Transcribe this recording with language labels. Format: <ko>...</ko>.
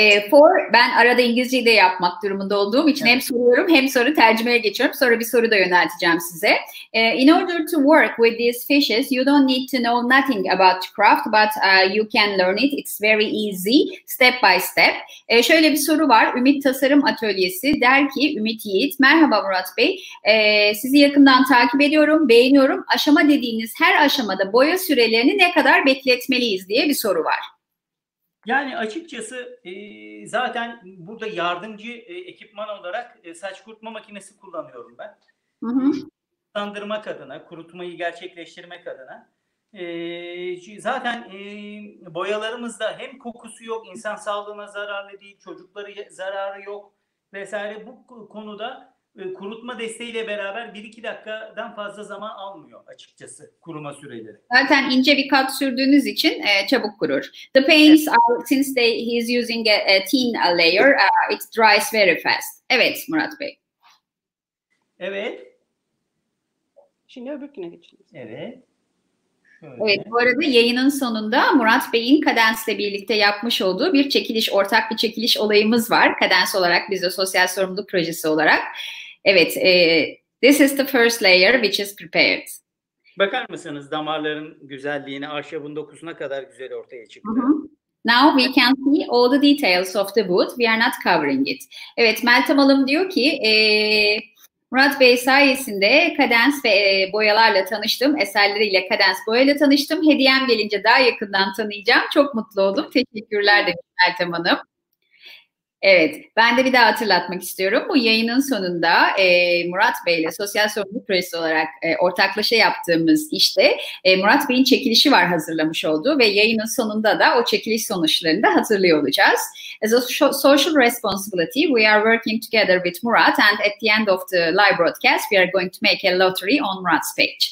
<tr>For, ben arada İngilizceyi de yapmak durumunda olduğum için hem soruyorum hem soru tercümeye geçiyorum. Sonra bir soru da yönelteceğim size.</tr> <en>In order to work with these fishes, you don't need to know nothing about craft, but you can learn it. It's very easy, step by step.</en> <tr>Şöyle bir soru var. Ümit Tasarım Atölyesi der ki, Ümit Yiğit, merhaba Murat Bey. Sizi yakından takip ediyorum, beğeniyorum. Aşama dediğiniz her aşamada boya sürelerini ne kadar bekletmeliyiz diye bir soru var. Yani açıkçası zaten burada yardımcı ekipman olarak saç kurutma makinesi kullanıyorum ben. Sandırmak adına, kurutmayı gerçekleştirmek adına. Zaten boyalarımızda hem kokusu yok, insan sağlığına zararlı değil, çocuklara zararı yok vesaire. Bu konuda kurutma desteğiyle beraber 1-2 dakikadan fazla zaman almıyor açıkçası kuruma süreleri. Zaten ince bir kat sürdüğünüz için çabuk kurur.</tr> <en>The paints are, since they, he's using a thin layer, it dries very fast.</en> <tr>Evet Murat Bey. Evet. Şimdi öbürküne geçelim. Evet. Evet, bu arada yayının sonunda Murat Bey'in Kadens'le birlikte yapmış olduğu bir çekiliş, ortak bir çekiliş olayımız var. Kadens olarak, biz de sosyal sorumluluk projesi olarak.</tr> <en>Evet, this is the first layer which is prepared.</en> <tr>Bakar mısınız damarların güzelliğine, ahşabın dokusuna kadar güzel ortaya çıktı.</tr> <en>Now we can see all the details of the wood. We are not covering it.</en> <tr>Evet, Meltem Alım diyor ki... Murat Bey sayesinde kadens ve boyalarla tanıştım. Eserleriyle kadens boyayla tanıştım. Hediyem gelince daha yakından tanıyacağım. Çok mutlu oldum. Teşekkürler demiş Meltem Hanım. Evet, ben de bir daha hatırlatmak istiyorum. Bu yayının sonunda Murat Bey'le sosyal sorumluluk projesi olarak ortaklaşa yaptığımız işte Murat Bey'in çekilişi var, hazırlamış olduğu ve yayının sonunda da o çekiliş sonuçlarını da hatırlıyor olacağız.</tr> <en>As a social responsibility, we are working together with Murat and at the end of the live broadcast we are going to make a lottery on Murat's page.</en>